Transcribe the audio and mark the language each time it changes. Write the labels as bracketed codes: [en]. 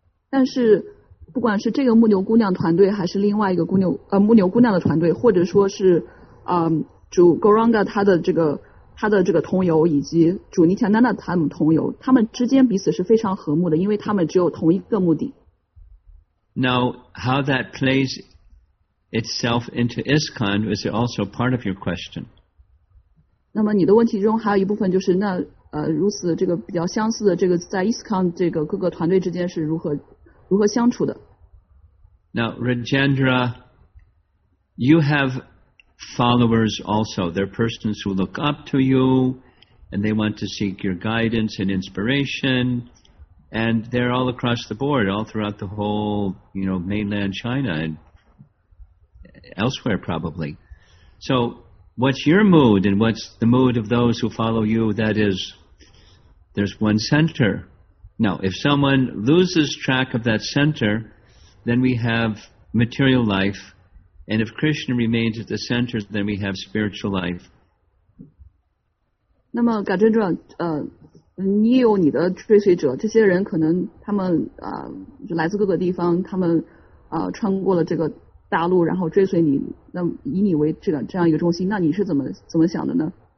[zh] 但是不管是这个牧牛姑娘团队还是另外一个牧牛姑娘的团队，或者说是主 Gauranga 他的这个同游，以及主 Nityananda 他们同游，他们之间彼此是非常和睦的，因为他们只有同一个目的。 [en] Now, how that plays itself into ISKCON is also part of your question. [zh] 那么你的问题中还有一部分就是那如此这个比较相似的这个在 ISKCON 这个各个团队之间是如何相处的 [en] Now Rajendra you have followers also they're persons who look up to you and they want to seek your guidance and inspiration and they're all across the board all throughout the whole you know mainland China and elsewhere probably soWhat's your mood and what's the mood of those who follow you? That is, there's one center. Now, if someone loses track of that center, then we have material life And if Krishna remains at the center, then we have spiritual life. [zh] 那么感觉着你也有你的追随者，这些人可能他们就来自各个地方，他们穿过了这个大陆，然后追随你，那以你为这样一个中心，那你是怎么想的呢？